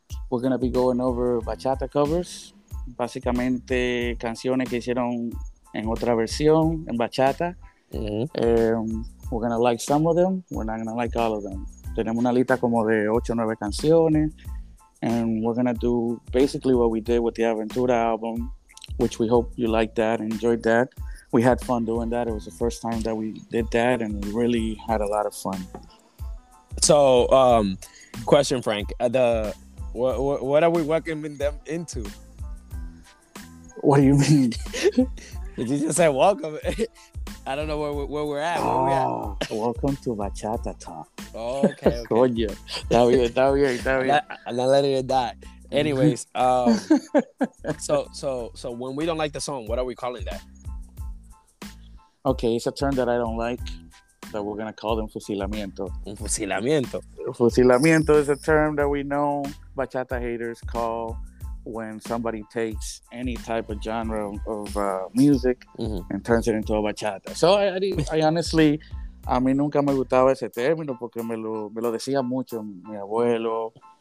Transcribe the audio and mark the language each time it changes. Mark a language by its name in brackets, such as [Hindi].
[English] We're going to be going over bachata covers. [Spanish] Básicamente, canciones que hicieron en otra versión, en bachata. [English] Mm-hmm. We're going to like some of them. We're not going to like all of them. [Spanish] Tenemos una lista como de 8 o 9 canciones. [English] And we're going to do basically what we did with the Aventura album, which we hope you liked that and enjoyed that. We had fun doing that. It was the first time that we did that, and we really had a lot of fun. So, question, Frank. What are we welcoming them into? What do you mean? Did you just say welcome? I don't know where we're at. Welcome to Bachata Talk. Okay. That'll be it. I'm not letting it die. Anyways, so when we don't like the song, what are we calling that? Okay, it's a term that I don't like, that we're going to call them fusilamiento. [Spanish] Un fusilamiento. [English] Fusilamiento is a term that we know bachata haters call when somebody takes any type of genre of music and turns it into a bachata. So I honestly, [Spanish] a mí nunca me gustaba ese término porque me lo decía mucho mi abuelo.